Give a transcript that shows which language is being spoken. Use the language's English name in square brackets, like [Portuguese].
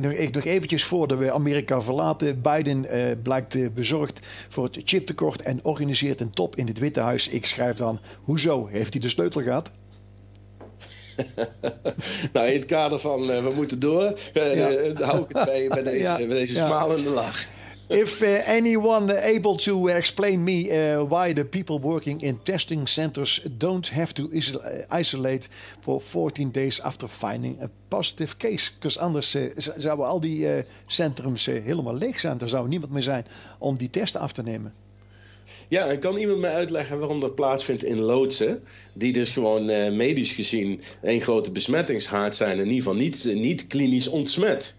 [Dutch] Nog eventjes voordat we Amerika verlaten. Biden blijkt bezorgd voor het chiptekort en organiseert een top in het Witte Huis. Ik schrijf dan, hoezo heeft hij de sleutel gehad? Nou, in het kader van we moeten door, hou ik het bij deze, smalende lach. [English] If anyone able to explain me why the people working in testing centers don't have to isolate for 14 days after finding a positive case. [Dutch] Because anders zouden al die centrums helemaal leeg zijn. Er zou niemand meer zijn om die testen af te nemen. Ja, en kan iemand mij uitleggen waarom dat plaatsvindt in loodsen, die dus gewoon medisch gezien een grote besmettingshaard zijn, in ieder geval niet klinisch ontsmet?